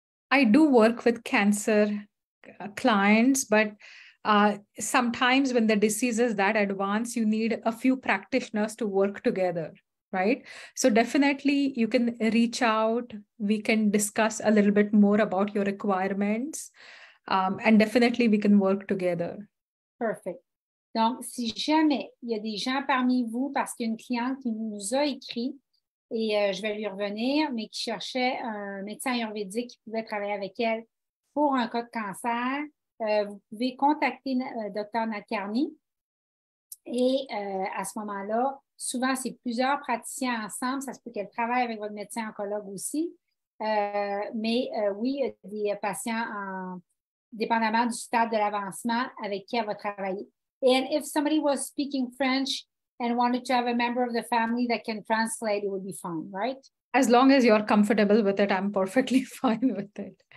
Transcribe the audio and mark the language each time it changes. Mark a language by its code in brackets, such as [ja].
[en] I do work with cancer clients, but sometimes when the disease is that advanced, you need a few practitioners to work together, right? So definitely you can reach out. We can discuss a little bit more about your requirements. And definitely we can work together. Perfect. [fr] Donc, si jamais il y a des gens parmi vous, parce qu'il y a une cliente qui nous a écrit, et je vais lui revenir, mais qui cherchait un médecin ayurvédique qui pouvait travailler avec elle pour un cas de cancer, vous pouvez contacter Dr Nadkarni. Et à ce moment-là, souvent, c'est plusieurs praticiens ensemble. Ça se peut qu'elle travaille avec votre médecin oncologue aussi. Oui, il y a des patients, dépendamment du stade de l'avancement, avec qui elle va travailler. [en] And if somebody was speaking French and wanted to have a member of the family that can translate, it would be fine, right? As long as you're comfortable with it, I'm perfectly fine with it.